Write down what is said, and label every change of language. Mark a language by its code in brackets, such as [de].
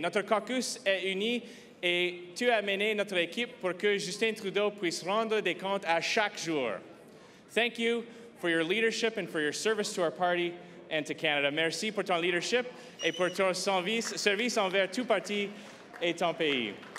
[fr] Notre caucus est uni et tu as mené notre équipe pour que Justin Trudeau puisse rendre des comptes à chaque jour. [en] Thank you for your leadership and for your service to our party and to Canada. [fr] Merci pour ton leadership et pour ton service envers tout parti et ton pays.